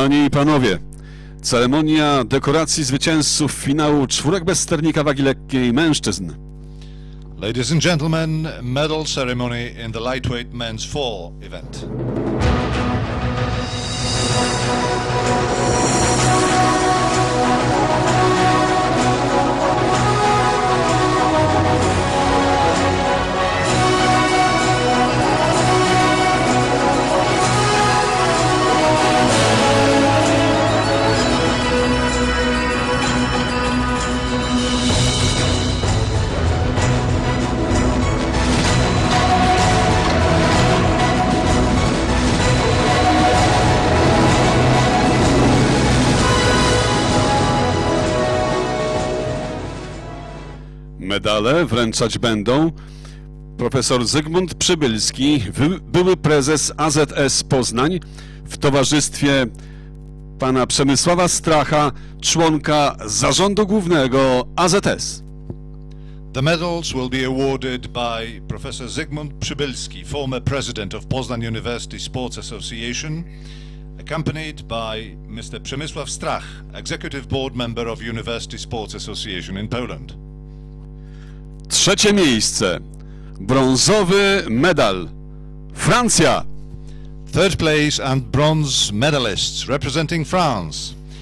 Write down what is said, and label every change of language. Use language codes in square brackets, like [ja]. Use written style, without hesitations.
[pl] Panowie, ceremonia dekoracji zwycięzców finału czwórek bez sternika wagi lekkiej mężczyzn. [en] Ladies and gentlemen, medal ceremony in the lightweight men's four event. [pl] Medale wręczać będą profesor Zygmunt Przybylski, były prezes AZS Poznań, w towarzystwie pana Przemysława Stracha, członka zarządu głównego AZS. [en] The medals will be awarded by profesor Zygmunt Przybylski, former president of Poznań University Sports Association, accompanied by Mr. Przemysław Strach, executive board member of University Sports Association in Poland. [pl] Trzecie miejsce, brązowy medal, Francja. [en] Third place and bronze medalists representing France.